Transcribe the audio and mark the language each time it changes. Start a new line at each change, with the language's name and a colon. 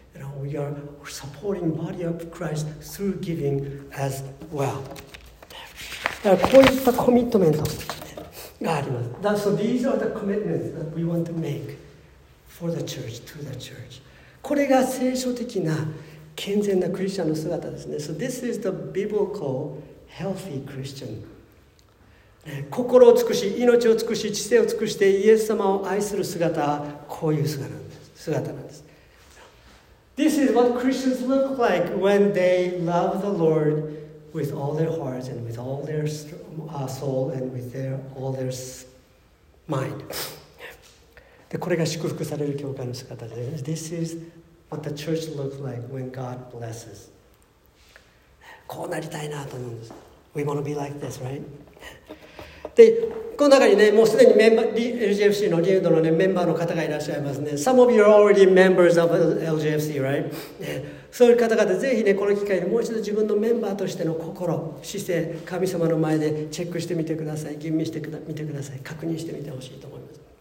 English: You know, we are supporting the body of Christ through giving as well.
Japanese: こういったコミットメントがあります。
English: So these are the commitments that we want to make. For the church, to the church.
Japanese: これが聖書的な健全なクリスチャンの姿ですね。
English: So this is the biblical healthy Christian.
Japanese: 心を尽くし、命を尽くし、知性を尽くしてイエス様を愛する姿はこういう姿なんです。
English: This is what Christians look like when they love the Lord with all their hearts and with all their soul and with all their mind.
Japanese: これが祝福される教会の姿です。
English: This is what the church looks like when God blesses.
Japanese: こうなりたいなと思うんです。
English: We want to be like this, right?
Japanese: で、この中にね、もうすでにメンバー、LGFC のリードの、ね、メンバーの方がいらっしゃいますね。
English: Some of you are already members of LGFC, right?
Japanese: そういう方々、ぜひね、この機会にもう一度自分のメンバーとしての心、姿勢、神様の前でチェックしてみてください。吟味してみてください。確認してみてほしいと思います。